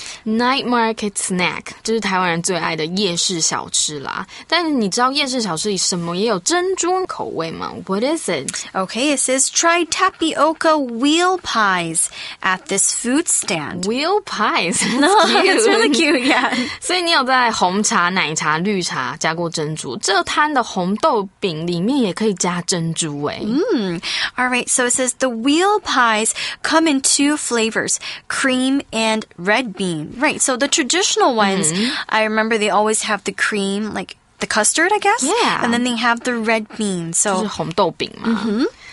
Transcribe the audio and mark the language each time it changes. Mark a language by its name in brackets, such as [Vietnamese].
[Chinese] Night market snack, 就是台湾人最爱的夜市小吃啦。但你知道夜市小吃里什么也有珍珠口味吗? [English] What is it? Okay, it says, has tried tapioca wheel pies at this food stand. Wheel pies? No, it's really cute, yeah. [Chinese] 所以你有在红茶、奶茶、绿茶加过珍珠。这摊的红豆饼里面也可以加珍珠耶。 [English] All right, so it says the wheel pies come in two flavors, cream and red bean. Right, so the traditional ones,、mm-hmm. I remember they always have the cream, like,The custard, I guess? Yeah. And then they have the red bean, so... [Chinese] 就是红豆饼嘛。 Mm-hmm.